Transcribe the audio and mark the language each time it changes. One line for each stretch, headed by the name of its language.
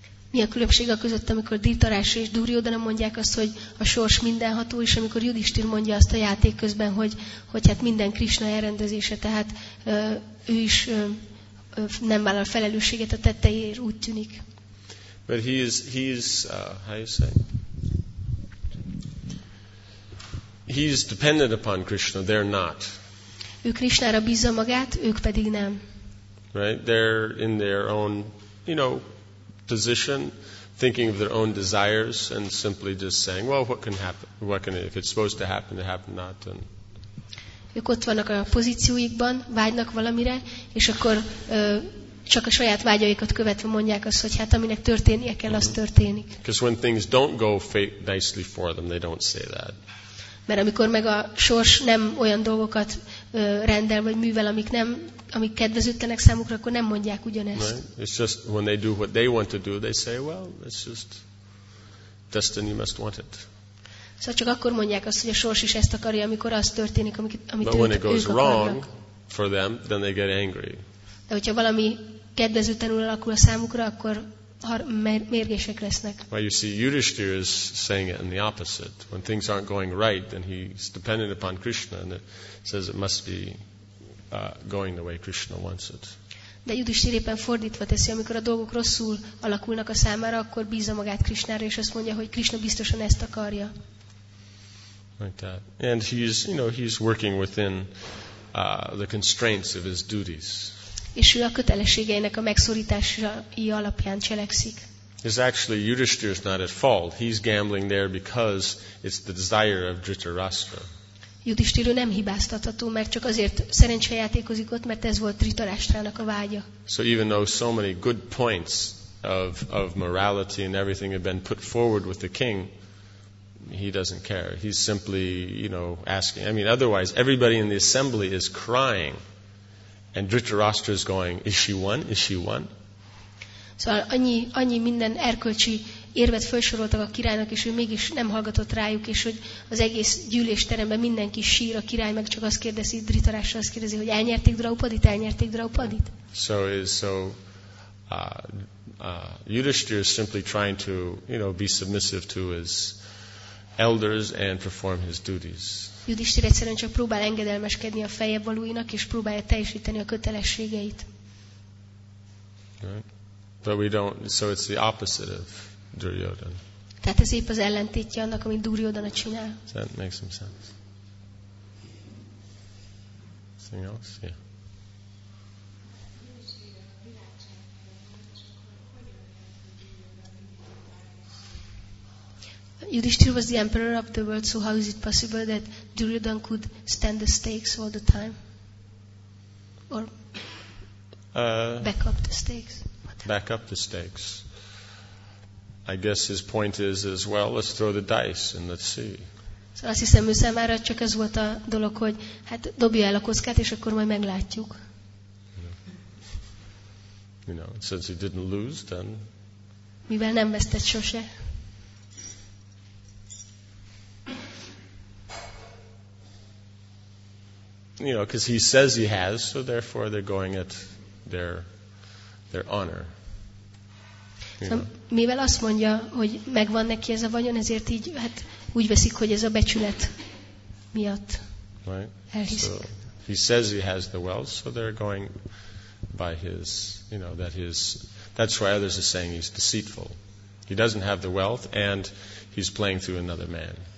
Hungarian: Mi a különbség a között, amikor Dhritarashtra és Duryodhana mondják azt, hogy a sors mindenható, és amikor Yudhishthira mondja azt a játék közben, hogy hát minden Krishna elrendezése, tehát ő is nem vállal felelősséget a tetteiért, úgy tűnik.
English: But he is how you say? He is dependent upon Krishna, they're not.
Hungarian: Ő Krishnára bízza magát, ők pedig nem.
English: Right? They're in their own, you know, position, thinking of their own desires and simply just saying, well, what can happen? What can, if it's supposed to happen, it happen not. Then.
Hungarian: Ők ott vannak a pozícióikban, vágynak valamire, és akkor csak a saját vágyaikat követve mondják azt, hogy hát aminek történnie kell, az történik.
English: Because when things don't go nicely for them, they don't say that.
Hungarian: Mert amikor meg a sors nem olyan dolgokat rendel vagy művel, amik kedvezőtlenek számukra, akkor nem mondják ugyanezt.
English: Right. It's just when they do what they want to do, they say, well, it's just destiny must want it.
Hungarian: Szóval csak akkor mondják azt, hogy a sors is ezt akarja, amikor az történik, amit ők akarnak.
English: But when it goes wrong for them, then they get angry.
Hungarian: De hogyha valami kedvezőtlenül alakul a számukra, akkor mérgések lesznek.
English: Well, you see, Yudhishthira is saying it in the opposite. When things aren't going right, then he's dependent upon Krishna, and it says it must be going the way Krishna wants it.
Hungarian: De Yudhishthira éppen fordítva teszi, amikor a dolgok rosszul alakulnak a számára, akkor bízza magát Krishnára, és azt mondja, hogy Krishna biztosan ezt akarja.
English: Like that. And he's, you know, he's working within the constraints of his duties.
Hungarian: És ő a kötelességeinek a megszorításai alapján cselekszik.
English: It's actually Yudhishthira is not at fault. He's gambling there because it's the desire of Dhritarashtra.
Hungarian: Yudhishthira nem hibáztatható, mert csak azért szerencsejátékozik ott, mert ez volt Dhritarashtrának a vágya.
English: So even though so many good points of morality and everything have been put forward with the king, he doesn't care. He's simply, you know, asking. I mean, otherwise everybody in the assembly is crying. And Dhritarashtra is going, is she one? Is she one?
Hungarian: Szóval annyi minden erkölcsi érvet felsoroltak a királynak, és ő mégis nem hallgatott rájuk, és hogy az egész gyűlésteremben mindenki sír, a király meg csak azt kérdezi, Dhritarashtra azt kérdezi, hogy elnyerték Draupadit, elnyerték Draupadit?
English: So Yudhishthira is simply trying to, you know, be submissive to his elders and perform his duties.
Hungarian: Yudhishthira egyszerűen csak próbál engedelmeskedni a feljebb valóinak, és próbálja teljesíteni a kötelességeit.
English: Right. But we don't, so it's the opposite of Duryodhan.
Hungarian: Tehát ez épp az ellentétje annak, amit Duryodhana csinál.
English: Does that make some sense? Anything else? Yeah. Yudhishthira was the emperor of the world, so how is it possible that Duryodhan could stand the stakes all the time? Or back up the stakes? Whatever. Back up the stakes. I guess his point is as well, let's throw the dice and let's see.
Hungarian: So azt hiszem, ő számára csak ez volt a dolog, hogy hát dobja el a kockát, és akkor majd meglátjuk.
English: You know, since he didn't lose, then...
Hungarian: Mivel nem vesztett sose.
English: You know, because he says he has, so therefore they're going at their honor.
Hungarian: So, mivel azt mondja, hogy megvan neki ez a vagyon, ezért így, hát úgy veszik, hogy ez a becsület miatt elhiszik.
English: Right. So, he says he has the wealth, so they're going by his, you know, that his, that's why others are saying he's deceitful. He doesn't have the wealth, and he's playing through another man.